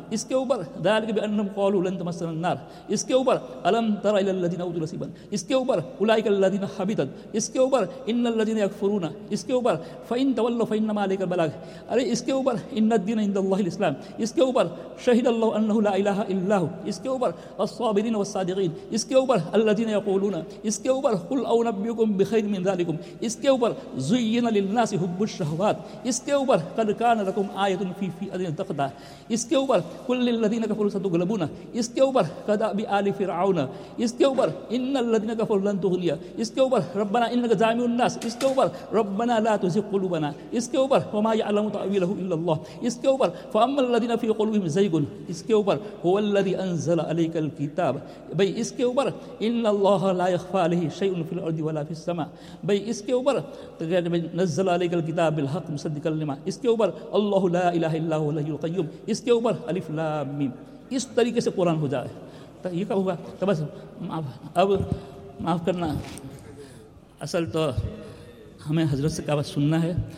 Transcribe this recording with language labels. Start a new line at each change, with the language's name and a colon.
Urdu: اس کے اوپر
Arabic: ذلک بانہم قالوا لن تمسنا النار. اس کے اوپر الم تر الی الذین اوتوا نصیبا.
Urdu: اس کے اوپر
Arabic: اولئک الذین حبطت. اس کے اوپر ان الذین یکفرون. اس کے اوپر فان تولوا فانما علیک البلاغ.
Urdu: ارے اس کے اوپر
Arabic: ان الدین عند اللہ الاسلام.
Urdu: اس کے اوپر
Arabic: شہد اللہ انہ لا الہ الا ہو.
Urdu: اس کے اوپر
Arabic: الصابرین والصادقین. اس کے اوپر الذين يقولون.
Urdu: اس کے اوپر
Arabic: قل انبئكم بخير من ذلكم. اس کے اوپر زين للناس حب الشهوات.
Urdu: اس کے اوپر
Arabic: قد كان لكم آية في فئة تقطع.
Urdu: اس کے اوپر
Arabic: قل للذين كفروا ستغلبون. اس کے اوپر قد ابي آل فرعون.
Urdu: اس کے اوپر
Arabic: ان الذين كفروا لن تغني. اس کے اوپر ربنا انك جامع الناس.
Urdu: اس کے اوپر
Arabic: ربنا لا تزغ قلوبنا.
Urdu: اس کے اوپر
Arabic: وما يعلم تأويله الا الله. اس کے اوپر فاما الذين في قلوبهم زيغ.
Urdu: اس کے اوپر
Arabic: هو الذي انزل عليك الكتاب.
Urdu: بھائی اس کے اوپر
Arabic: ان اللہ لا یخفا علیہ شیء فی الارض ولا فی السماء.
Urdu: بھائی اس کے اوپر
Arabic: نزل علیک الکتاب بالحق مصدقا لما.
Urdu: اس کے اوپر
Arabic: اللہ لا الہ الا هو الحی القیوم. اس کے اوپر الف لام میم.
Urdu: اس طریقے سے قرآن ہو جائے تو یہ کب ہوگا؟ تو بس اب معاف کرنا, اصل تو ہمیں حضرت سے کعبہ سننا ہے.